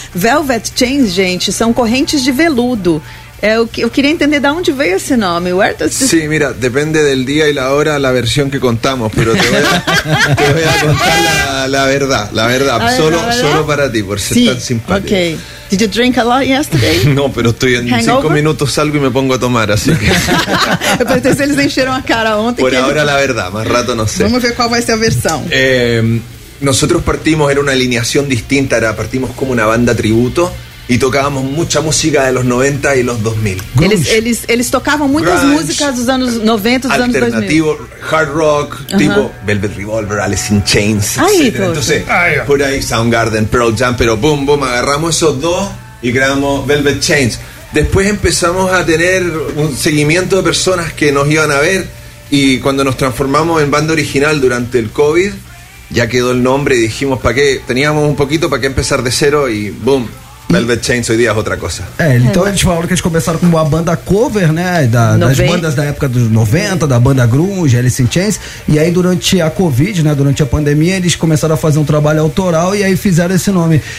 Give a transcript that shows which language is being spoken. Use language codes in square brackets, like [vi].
[pt] Velvet Chains, gente, são correntes de veludo. Eu queria entender de onde veio esse nome. [en] Where does this... [es] Sí, mira, depende del día y la hora la versión que contamos, pero te voy a contar la verdad. Solo para ti, por ser sí. Tan simpático. [en] Okay. Did you drink a lot yesterday? [es] No, pero estoy en Hangover? 5 minutos salgo y me pongo a tomar, así que... Pero entonces ellos encheron la cara [pt] ontem. [es] Por ahora la verdad, más rato no sé. Vamos a ver cuál va a ser la versión. Nosotros partimos, era una alineación distinta, partimos como una banda tributo. Y tocábamos mucha música de los 90 y los 2000. Ellos tocaban muchas grunge, músicas de los años 90, de los años 2000. Alternativo, hard rock, uh-huh. Tipo Velvet Revolver, Alice in Chains, etc. Ay, entonces, por ahí Soundgarden, Pearl Jam, pero boom, boom, agarramos esos dos y creamos Velvet Chains. Después empezamos a tener un seguimiento de personas que nos iban a ver y cuando nos transformamos en banda original durante el COVID, ya quedó el nombre y dijimos, ¿para qué? Teníamos un poquito, ¿para qué empezar de cero? Y boom. Velvet Chains hoy día es otra cosa. [pt] Então a gente falou que eles começaram com uma banda cover, né, das bandas da época dos 90, da banda grunge, Alice in Chains, e aí durante a Covid, né, durante a pandemia, eles começaram a fazer um trabalho autoral e aí fizeram esse nome.